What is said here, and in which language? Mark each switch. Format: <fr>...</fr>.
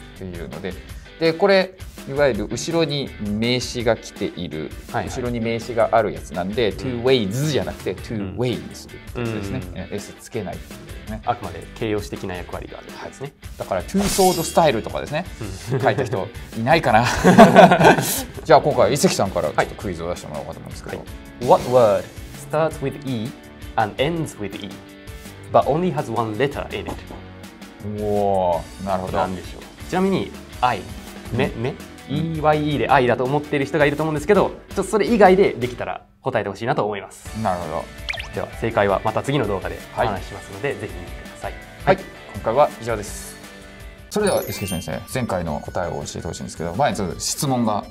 <ja>っていうので、でこれいわゆる後ろに名詞が来ている、はいはい、後ろに名詞があるやつなんで、two-ways じゃなくて two-way にするってことですね。 s つけない。あくまで形容詞的な役割があるわけですね。だからトゥーソードスタイルとかですね、書いた人いないかなじゃあ今回伊関さんからちょっとクイズを出してもらおうかと思うんですけど、はい、</ja> <en>What word starts with E and ends with E but only has one letter in it?</en> <ja>おお、なるほど。何でしょう。ちなみに I、 目、目、EYE で I だと思っている人がいると思うんですけど、ちょっとそれ以外でできたら答えてほしいなと思います。なるほど。では正解はまた次の動画で話しますので、はい、ぜひ見てください。はい、はい、今回は以上です。それでは伊関先生、前回の答えを教えてほしいんですけど、まず質問が</ja>